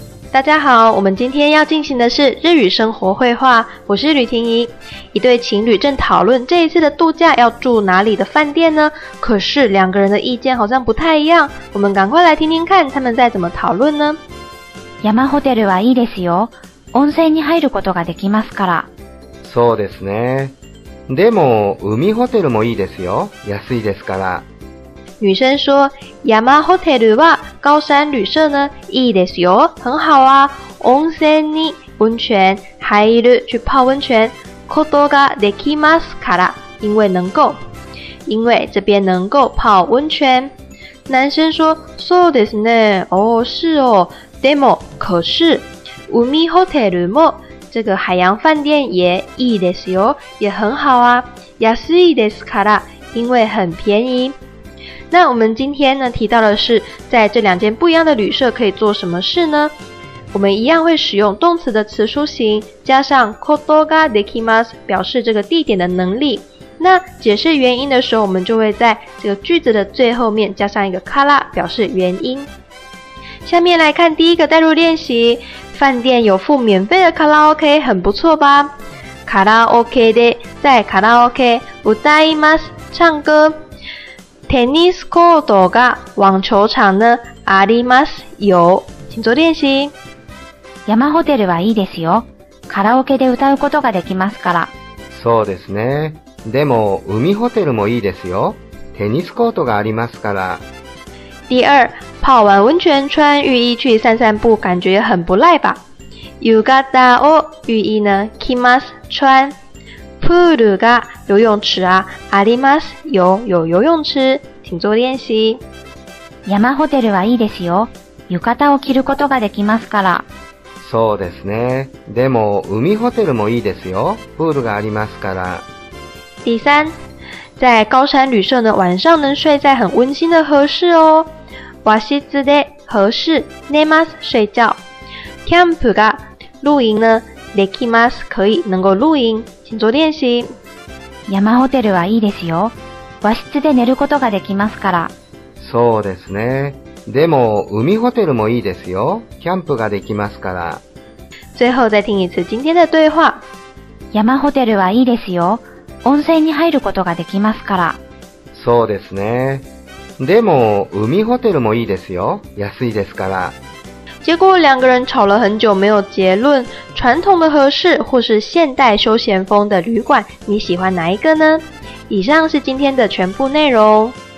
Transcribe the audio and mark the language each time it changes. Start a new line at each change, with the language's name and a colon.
Chinese: 大家好，我们今天要进行的是日语生活绘画，我是吕婷宜。一对情侣正讨论这一次的度假要住哪里的饭店呢，可是两个人的意见好像不太一样，我们赶快来听听看他们在怎么讨论呢。
Japanese: 山ホテルはいいですよ。温泉に入ることができますから。そうですね。でも海ホテルもいいですよ。安いですから。
Chinese: 女生说：“山ホテルは高山旅社呢，
Japanese: いいですよ，
Chinese: 很好啊。
Japanese: 温泉に温泉入る
Chinese: 去泡温泉，
Japanese: ことができますから，
Chinese: 因为能够，因为这边能够泡温泉。” 男生说：
Japanese: “そうですね。
Chinese: 哦，是哦。”
Japanese: でも可是海ホテルも
Chinese: 这个海洋饭店也
Japanese: いいですよ
Chinese: 也很好啊
Japanese: 安いですから
Chinese: 因为很便宜。那我们今天呢提到的是在这两间不一样的旅社可以做什么事呢，我们一样会使用动词的词书形加上ことができます表示这个地点的能力，那解释原因的时候我们就会在这个句子的最后面加上一个から表示原因。下面来看第一个代入练习，饭店有附免费的卡拉 OK， 很不错吧？卡拉 OK 的，在卡拉 OK 歌いま唱歌。テニスコートが网球场呢？あります有，请做练习。
Japanese: 山ホテルはいいですよ。カラオケで歌うことができますから。そうですね。でも海ホテルもいいですよ。テニスコートがありますから。
Chinese: 第二，泡完温泉穿浴衣去散散步，感觉也很不赖吧？浴衣を浴衣呢？着ます穿。プールが游泳池啊？あります有游泳池，请做练习。
Japanese: 山ホテルはいいですよ。浴衣を着ることができますから。そうですね。でも海ホテルもいいですよ。プールがありますから。
Chinese: 第三。在高山旅社呢，晚上能睡在很温馨的和室哦。和室で和室寝ます睡觉。キャンプが露营呢，できます可以能够露营，请做练习。
Japanese: 山ホテルはいいですよ。和室で寝ることができますから。そうですね。でも海ホテルもいいですよ。キャンプができますから。
Chinese: 最后再听一次今天的对话。
Japanese: 山ホテルはいいですよ。温泉に入ることができますから。そうですね。でも海ホテルもいいですよ。安いですから。
Chinese: 结果两个人吵了很久，没有结论。传统的和室或是现代休闲风的旅馆，你喜欢哪一个呢？以上是今天的全部内容。